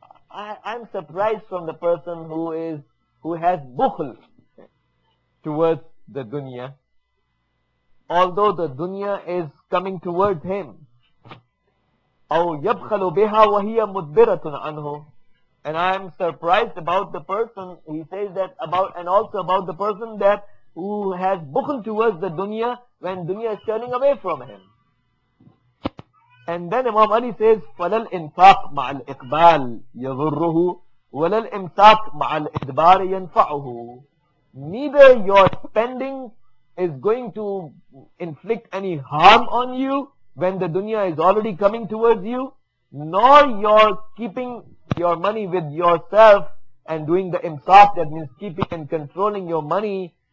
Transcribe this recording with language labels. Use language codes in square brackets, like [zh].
[en] I'm surprised from the person who has bukhl towards the dunya, although the dunya is coming towards him. [ar] أَوْ يَبْخَلُ بِهَا وَهِيَ مُدْبِرَةٌ عَنْهُ. [en] And I am surprised about the person, he says that about, and also about the person that who has bukhl towards the dunya when dunya is turning away from him. And then Imam Ali says, [ar] فَلَا الْإِنْفَاقُ مَعَ الْإِقْبَالِ يَضُرُّهُ وَلَا الْإِمْسَاقُ مَعَ الْإِدْبَارِ يَنْفَعُهُ. [en] Neither your spending is going to inflict any harm on you when the dunya is already coming towards you, nor your keeping your money with yourself and doing the imsaf, that means keeping and controlling your money